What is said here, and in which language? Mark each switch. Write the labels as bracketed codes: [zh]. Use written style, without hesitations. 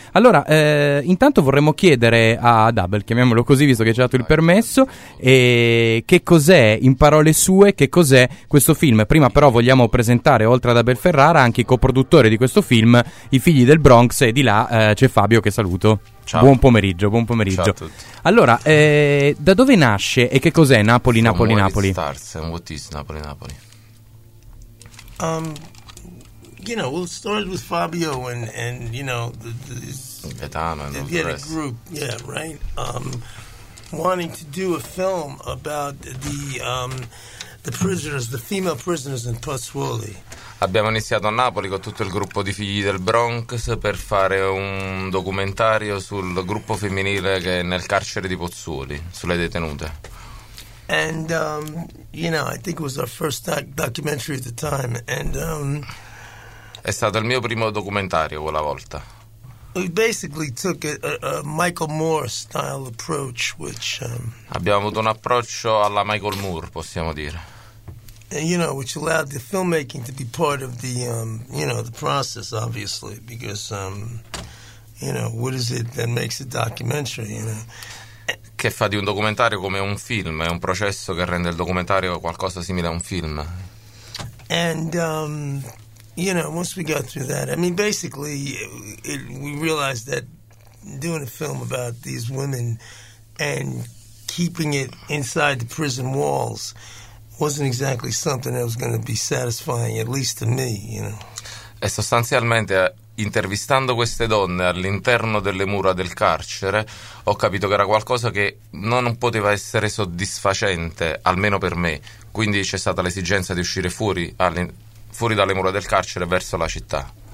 [it] Allora, intanto vorremmo chiedere ad Abel, chiamiamolo così visto che ci ha dato il permesso, che cos'è, in parole sue, che cos'è questo film. Prima però vogliamo presentare, oltre ad Abel Ferrara, anche i coproduttori di questo film, I Figli del Bronx, e di là c'è Fabio, che saluto. Ciao. Buon pomeriggio, buon pomeriggio. Ciao a tutti. Allora, da dove nasce e che cos'è Napoli, Napoli, Napoli? [en] From where it starts and what is Napoli, Napoli? You know, we'll start with Fabio and you know, Gaetano and the rest. Group, yeah, right? Wanting to do a film about the prisoners, the female prisoners in Pozzuoli. [it] Abbiamo iniziato a Napoli con tutto il gruppo di Figli del Bronx per fare un documentario sul gruppo femminile che è nel carcere di Pozzuoli, sulle detenute. [en] And you know, I think it was our first documentary at the time. And [it] è stato il mio primo documentario quella volta. [en] We basically took a Michael Moore style approach, which [it] abbiamo avuto un approccio alla Michael Moore, possiamo dire. [en] You know, which allowed the filmmaking to be part of the, you know, the process, obviously, because, you know, what is it that makes a documentary, you know? [it] Che fa di un documentario come un film, è un processo che rende il documentario qualcosa simile a un film. [en] And, you know, once we got through that, I mean, basically, we realized that doing a film about these women and keeping it inside the prison walls wasn't exactly something that was going to be satisfying, at least to me, you know. [it] E sostanzialmente, intervistando queste donne all'interno delle mura del carcere, ho capito che era qualcosa che non poteva essere soddisfacente, almeno per me. Quindi c'è stata l'esigenza di uscire fuori dalle mura del carcere verso la città.